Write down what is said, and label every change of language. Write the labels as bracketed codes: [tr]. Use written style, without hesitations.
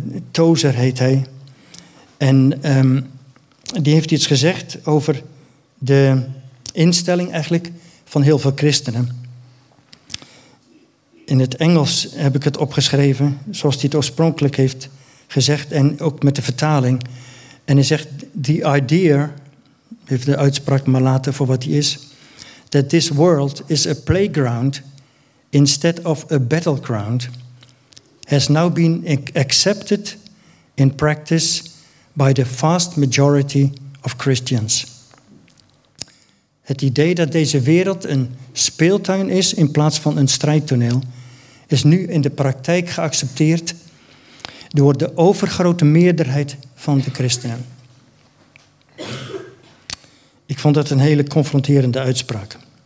[nl] Tozer heet hij. En die heeft iets gezegd over de instelling eigenlijk van heel veel christenen. In het Engels heb ik het opgeschreven zoals hij het oorspronkelijk heeft gezegd. En ook met de vertaling. En hij zegt, [en] the idea, [nl] even de uitspraak maar laten voor wat hij is. [en] That this world is a playground instead of a battleground has now been accepted in practice by the vast majority of Christians. [nl] Het idee dat deze wereld een speeltuin is in plaats van een strijdtoneel is nu in de praktijk geaccepteerd door de overgrote meerderheid van de christenen. Ik vond dat een hele confronterende uitspraak.